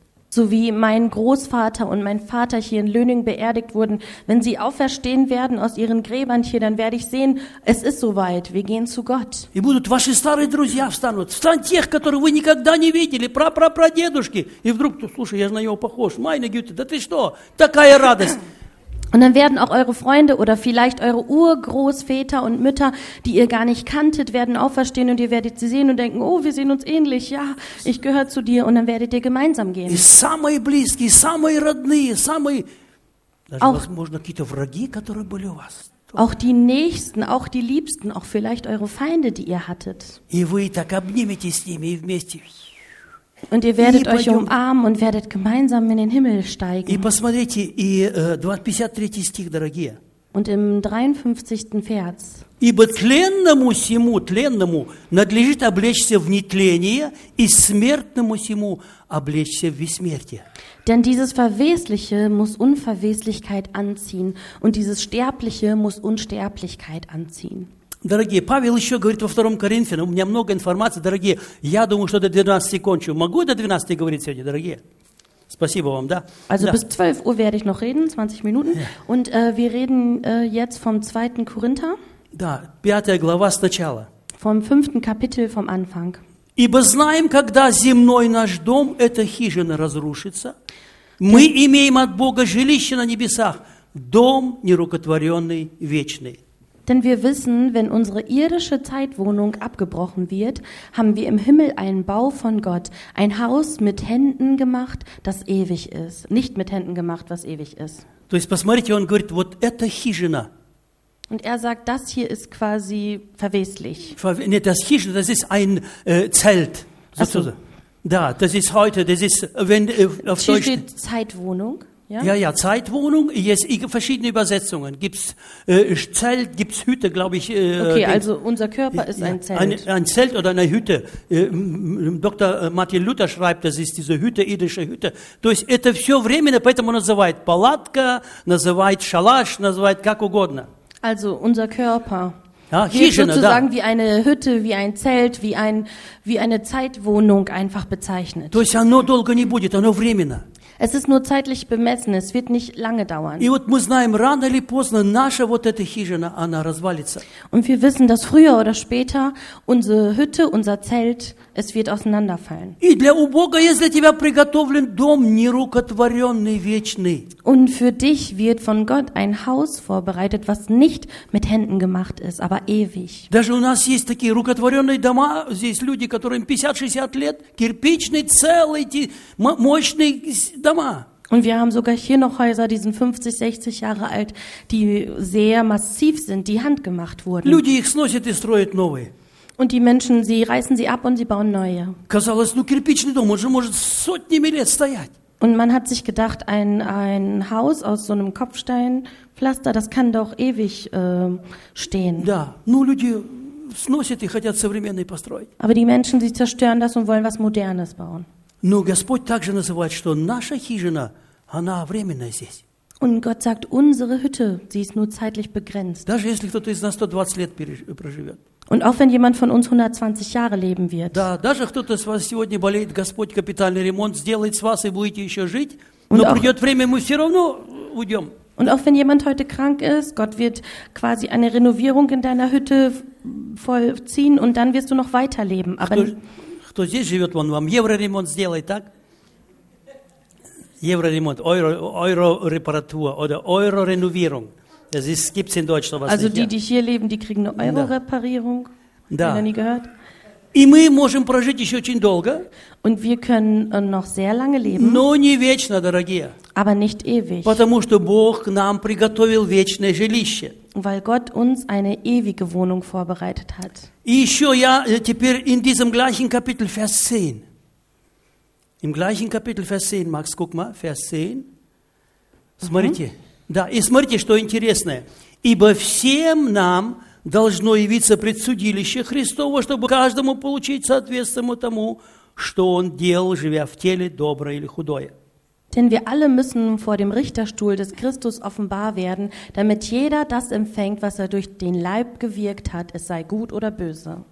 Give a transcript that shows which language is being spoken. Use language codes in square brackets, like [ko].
[de] So wie mein Großvater und mein Vater hier in Löning beerdigt wurden, wenn sie auferstehen werden aus ihren Gräbern hier, dann werde ich sehen, es ist soweit, wir gehen zu Gott. [ru] И будут ваши старые друзья встанут, встань тех, которых вы никогда не видели, прапрапрадедушки, и вдруг, слушай, я же на него похож, [de] meine Güte, [ru] да ты что, такая радость. [de] Und dann werden auch eure Freunde oder vielleicht eure Urgroßväter und Mütter, die ihr gar nicht kanntet, werden auferstehen und ihr werdet sie sehen und denken, oh, wir sehen uns ähnlich, ja, ich gehöre zu dir, und dann werdet ihr gemeinsam gehen. [ru] И самые близкие, самые родные, самые, даже, auch, возможно, какие-то враги, которые были у вас. [de] Auch die Nächsten, auch die Liebsten, auch vielleicht eure Feinde, die ihr hattet. [ru] И вы так обниметесь с ними и вместе. [de] Und ihr werdet euch umarmen und werdet gemeinsam in den Himmel steigen. [ru] И посмотрите, и 53 стих, дорогие. [de] Und im 53. Vers. [ru] Ибо тленному сему, тленному, надлежит облечься в нетление, и смертному сему облечься в бессмертие. [de] Denn dieses Verwesliche muss Unverweslichkeit anziehen, und dieses Sterbliche muss Unsterblichkeit anziehen. [ru] Дорогие, Павел еще говорит во 2 Коринфянам, у меня много информации, дорогие, я думаю, что до 12 кончу. Могу до 12 говорить сегодня, дорогие? Спасибо вам, да? [de] Also [ru] да. [de] Bis 12 Uhr werde ich noch reden, 20 Minuten. Und wir reden jetzt vom 2. Korinther. [ru] Да, 5 глава сначала. [de] Vom 5. Kapitel, vom Anfang. [ru] Ибо знаем, когда земной наш дом, эта хижина, разрушится, мы имеем от Бога жилище на небесах, дом нерукотворенный, вечный. [de] Denn wir wissen, wenn unsere irdische Zeitwohnung abgebrochen wird, haben wir im Himmel einen Bau von Gott, ein Haus mit Händen gemacht, das ewig ist. Nicht mit Händen gemacht, was ewig ist. [ru] То есть, посмотрите, он говорит, вот это хижина. [de] Und er sagt, das hier ist quasi verweslich. Nee, das хижина, das ist ein Zelt. Also, да, das ist heute, das ist, wenn, auf hier Deutsch. Hier steht Zeitwohnung. Ja, ja, Zeitwohnung, es gibt verschiedene Übersetzungen. Gibt's Zelt, gibt's Hütte, glaube ich. Okay, also unser Körper ist ein Zelt. Ein Zelt oder eine Hütte. Dr. Martin Luther schreibt, das ist diese Hütte, irdische Hütte. [ru] То есть это все временно, поэтому называет палатка, называет шалаш, называет как угодно. [de] Also unser Körper. Ja, Hygiene, sozusagen da. Wie eine Hütte, wie ein Zelt, wie eine Zeitwohnung einfach bezeichnet. [ru] То есть оно долго не будет, оно временно. [de] Es ist nur zeitlich bemessen, es wird nicht lange dauern. [ru] И вот мы знаем, рано или поздно наша вот эта хижина, она развалится. [de] Und wir wissen, dass früher oder später unsere Hütte, unser Zelt, es wird auseinanderfallen. [ru] И для у Бога есть для тебя приготовлен дом нерукотворенный, вечный. [de] Und für dich wird von Gott ein Haus vorbereitet, was nicht mit Händen gemacht ist, aber ewig. [ru] Даже у нас есть такие рукотворенные дома, здесь люди, которым 50-60 лет, кирпичный, целый, мощный. [de] Und wir haben sogar hier noch Häuser, die sind 50, 60 Jahre alt, die sehr massiv sind, die handgemacht wurden. [ru] Люди их сносят и строят новые. [de] Und die Menschen, sie reißen sie ab und sie bauen neue. [ru] Казалось, ну кирпичный дом, он же может сотнями лет стоять. [de] Und man hat sich gedacht, ein Haus aus so einem Kopfsteinpflaster, das kann doch ewig stehen. [ru] Да, ну люди сносят и хотят современные построить. [de] Aber die Menschen, sie zerstören das und wollen was Modernes bauen. [ru] Но Господь также называет, что наша хижина, она временная здесь. [de] Und Gott sagt, unsere Hütte, sie ist nur zeitlich begrenzt. [ru] Даже если кто-то из нас 120 лет проживет. [de] Und auch wenn jemand von uns 120 Jahre leben wird. [ru] Да, даже кто-то из вас сегодня болеет, Господь капитальный ремонт сделает с вас и будете еще жить, но придет время, мы все равно уйдем. [de] Und auch wenn jemand heute krank ist, Gott wird quasi eine Renovierung in deiner Hütte vollziehen und dann wirst du noch weiterleben. Aber [ru] кто здесь живет, он вам евроремонт сделает, так? Евроремонт, евро-репаратура, oder евро-реновирунг. [de] Es ist, gibt's in Deutschland was nicht. Also die, die hier leben, die kriegen eine Euro-Reparierung. Da. Haben wir nie gehört. [ru] И мы можем прожить еще очень долго. [de] Und wir können noch sehr lange leben. [ru] Но не вечно, дорогие. [de] Aber nicht ewig. [ru] Потому что Бог нам приготовил вечное жилище. [de] Weil Gott uns eine ewige Wohnung vorbereitet hat. [ru] И еще я теперь [de] in diesem gleichen Kapitel, Vers 10. Im gleichen Kapitel, Vers 10, Max, guck mal, Vers 10. [ru] Смотрите. Да, и смотрите, что интересное. Ибо всем нам должно явиться предсудилище Христово, чтобы каждому получить соответствующему тому, что он делал, живя в теле, доброе или худое. [de] Denn wir alle müssen vor dem Richterstuhl des Christus offenbar werden, damit jeder das empfängt, was er durch den Leib gewirkt hat, es sei gut oder böse.